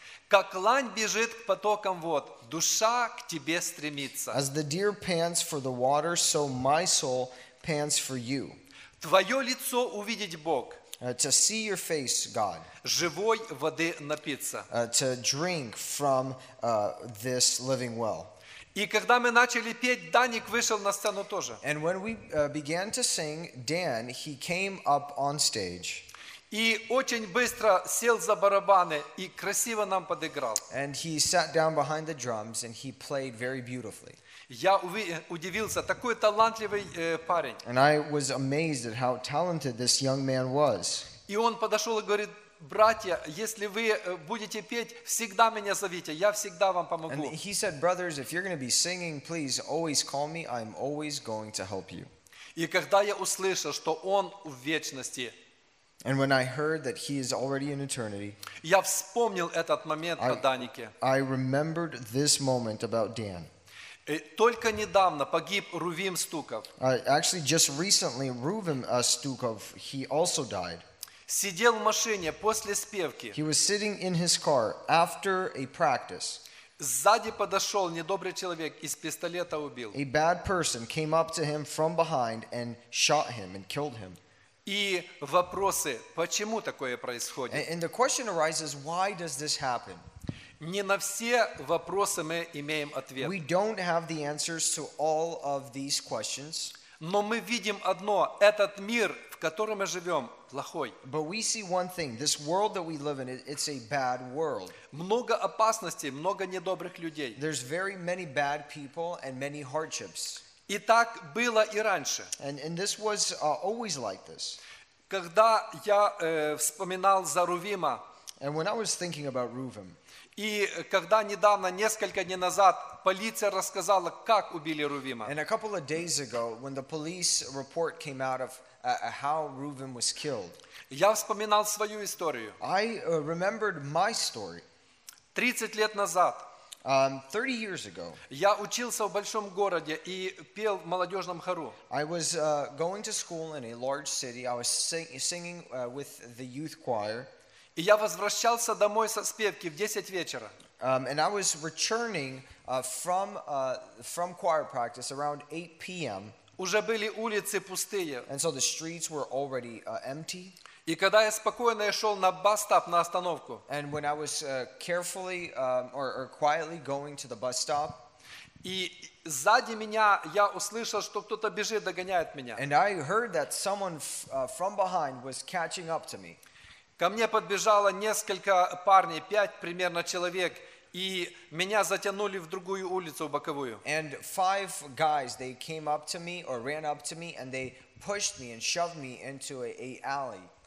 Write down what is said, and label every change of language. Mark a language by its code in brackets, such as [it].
[ru] Как лань бежит к потокам вод. Душа к тебе стремится. [en] As the deer pants for the water, so my soul pants for you. [ru] Твое лицо увидеть Бог. [en] To see your face, God. [ru] Живой воды напиться. [en] To drink from this living well. [ru] И когда мы начали петь, Даник вышел на сцену тоже. [en] And when we began to sing, Dan, he came up on stage. [ru] И очень быстро сел за барабаны и красиво нам подыграл. [en] And he sat down behind the drums and he played very beautifully. [ru] Я удивился, такой талантливый парень. [en] And I was amazed at how talented this young man was. [ru] И он подошел и говорит: «Братья, если вы будете петь, всегда меня зовите, я всегда вам помогу». [en] And he said, «Brothers, if you're going to be singing, please always call me, I'm always going to help you». [ru] И когда я услышал, что он в вечности, [en] and when I heard that he is already in eternity, [ru] я вспомнил этот момент о Данике. [en] I remembered this moment about Dan. [ru] Только недавно погиб Рувим Стуков. [en] Actually, just recently, Рувим Стуков, he also died. [ru] Сидел в машине после спевки. [en] He was sitting in his car after a practice. [ru] Сзади подошел недобрый человек и с пистолета убил. [en] A bad person came up to him from behind and shot him and killed him. [ru] И вопросы, почему такое происходит? [en] And the question arises, why does this happen? [ru] Не на все вопросы мы имеем ответ. [en] We don't have the answers to all of these questions. [ru] Но мы видим одно, этот мир, в котором мы живем, плохой. [en] But we see one thing, this world that we live in, it's a bad world. [ru] Много опасностей, много недобрых людей. [en] There's very many bad people and many hardships. [ru] И так было и раньше. [en] And this was always like this. [ru] Когда я вспоминал за Рувима. [en] And when I was thinking about Рувим. [ru] И когда недавно, несколько дней назад, полиция рассказала, как убили Рувима. [en] And a couple of days ago, when the police report came out of how Reuven was killed. [ru] Я вспоминал свою историю. [en] I remembered my story. [ru] 30 лет назад. [en] 30 years ago. [ru] Я учился в большом городе и пел в молодежном хору. [en] I was going to school in a large city. I was singing with the youth choir. [ru] И я возвращался домой со спевки в 10 вечера. [en] And I was returning from choir practice around 8 p.m. [ru] Уже были улицы пустые. [en] And so the streets were already empty. [ru] И когда я спокойно шел на бас-стоп, на остановку. [en] And when I was carefully or quietly going to the bus stop. [ru] И сзади меня я услышал, что кто-то бежит, догоняет меня. [en] And I heard that someone from behind was catching up to me. [ru] Ко мне подбежало несколько парней, 5 примерно человек, и меня затянули в другую улицу, в боковую. [en] And 5 guys, they came up to me or ran up to me and they pushed me and shoved me into a alley.